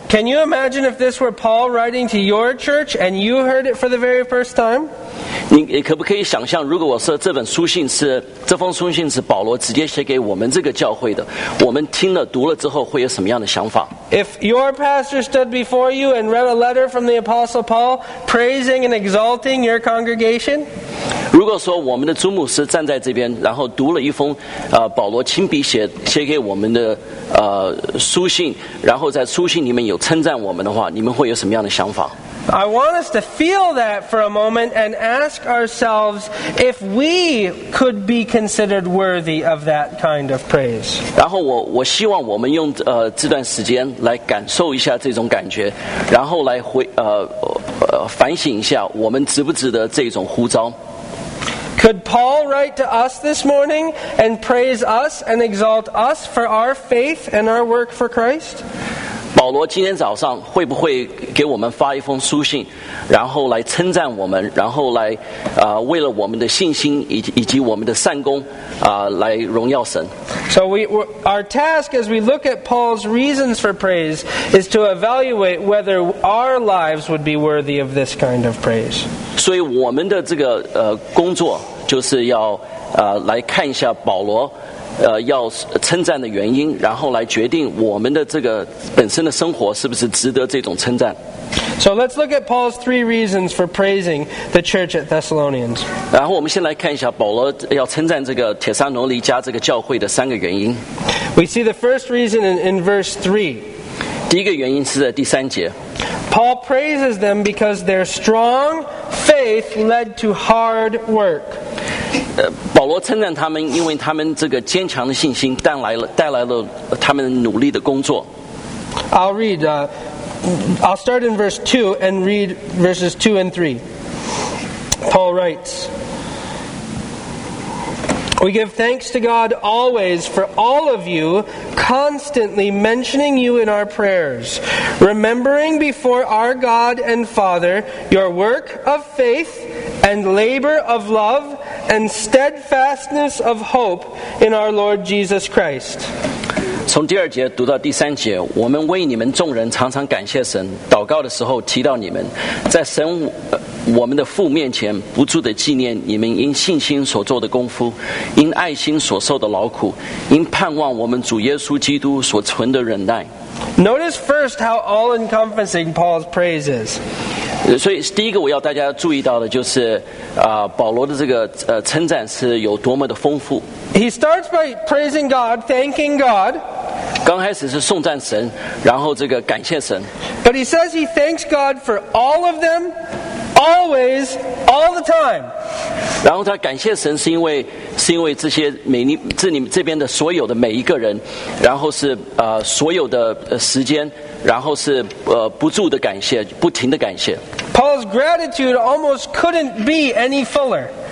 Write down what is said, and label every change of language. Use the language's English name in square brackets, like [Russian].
[English] ？Can you imagine if this were Paul writing to your church and you heard it for the very first time？ [Chinese] 你可不可以想象，如果我说这封书信是保罗直接写给我们这个教会的，我们听了读了之后会有什么样的想法 [English] ？If your pastor stood before you and read a letter from the Apostle Paul praising and exalting your congregation？ [Chinese] 如果说我们的主牧师站在这边，然后读了一封保罗亲笔写给我们的书信，然后在书信里面有称赞我们的话，你们会有什么样的想法？ [English] I want us to feel that for a moment and ask ourselves if we could be considered worthy of that kind of praise. [Chinese] 然后我希望我们用这段时间来感受一下这种感觉，然后来反省一下我们值不值得这种呼召。 [English] Could Paul write to us this morning and praise us and exalt us for our faith and our work for Christ? [Chinese] 保罗今天早上会不会给我们发一封书信，然后来称赞我们，然后来为了我们的信心以及我们的善功来荣耀神。 [English] So our task as we look at Paul's reasons for praise is to evaluate whether our lives would be worthy of this kind of praise. [Chinese] 所以我们的这个工作就是要来看一下保罗要称赞的原因，然后来决定我们的这个本身的生活是不是值得这种称赞。 [English] So let's look at Paul's three reasons for praising the church at Thessalonians. [Chinese] 然后我们先来看一下保罗要称赞这个帖撒罗尼迦这个教会的三个原因。 [English] We see the first reason in verse 3. [Chinese] 第一个原因是在第三节。 [English] Paul praises them because their strong faith led to hard work. [Chinese] 保罗称赞他们，因为他们这个坚强的信心带来了他们努力的工作。 [English] I'll start in verse 2 and read verses 2 and 3. Paul writes, We give thanks to God always for all of you, constantly mentioning you in our prayers, remembering before our God and Father your work of faith and labor of love and steadfastness of hope in our Lord Jesus Christ. [Chinese] 从第二节读到第三节，我们为你们众人常常感谢神，祷告的时候提到你们，在神我们的父面前不住地纪念你们因信心所做的功夫，因爱心所受的劳苦，因盼望我们主耶稣基督所存的忍耐。 [English] Notice first how all-encompassing Paul's praise is. [Chinese] 所以第一个我要大家注意到的就是保罗的这个称赞是有多么的丰富。 [English] He starts by praising God, thanking God. [Chinese] 刚开始是颂赞神，然后这个感谢神。 [English] But he says he thanks God for all of them, always, all the time. [Chinese] 然后他感谢神是因为这些这边的所有的每一个人，然后是所有的时间，然后是不住的感谢，不停的感谢。 [English] Paul's gratitude almost couldn't be any fuller.